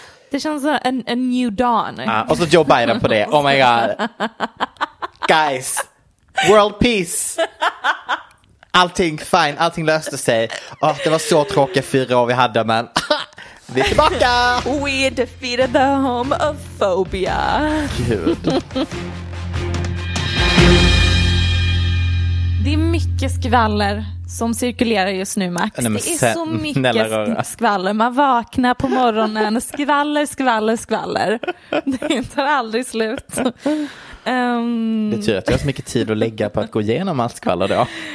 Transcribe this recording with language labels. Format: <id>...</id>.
<sv>Det känns som en</sv> <en>new dawn.</en> <sv>Och så Joe Biden på det.</sv> <en>Oh my god. Guys. World peace.</en> <sv>Allting fine, allting löste sig. Oh, det var så tråkiga 4 år vi hade, men vi är tillbaka.</sv> <en>We defeated the homophobia.</en> <sv>Gud. Det är mycket skvaller som cirkulerar just nu, Max. Nej, men det är så mycket skvaller. Man vaknar på morgonen, skvaller, skvaller, skvaller. Det tar aldrig slut. Det tyder att jag har så mycket tid att lägga på att gå igenom allt skvaller då.</sv>